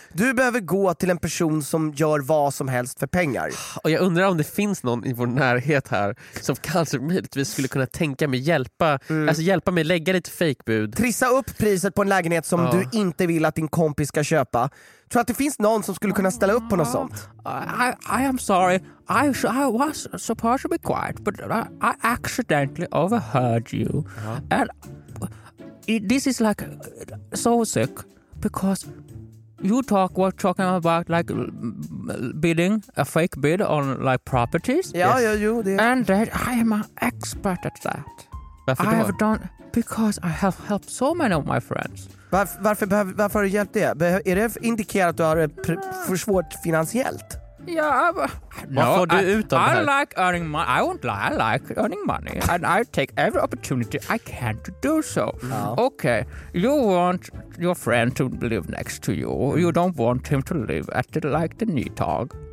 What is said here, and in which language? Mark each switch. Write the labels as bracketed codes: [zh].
[sv] Du behöver gå till en person som gör vad som helst för pengar. Och jag undrar om det finns någon i vår närhet här som kanske möjligtvis skulle kunna tänka mig hjälpa, alltså hjälpa mig lägga lite fejkbud. Trissa upp priset på en lägenhet som du inte vill att din kompis ska köpa. Tror du att det finns någon som skulle kunna ställa upp på något sånt? [en] I am sorry. I was supposed to be quiet, but I accidentally overheard you. Uh-huh. And this is like so sick because you were talking about like bidding a fake bid on like properties. And that I am an expert at that. [sv] Varför [en] I have done because I have helped so many of my friends. [sv] Varför har du hjälpt det? Är det indikerat att du har det för svårt finansiellt? Ja, får du ut av det här? [en] I like earning money. I won't lie. I like earning money. And I take every opportunity I can to do so. Mm. Okay, you want your friend to live next to you. You don't want him to live at the, like the knee tog.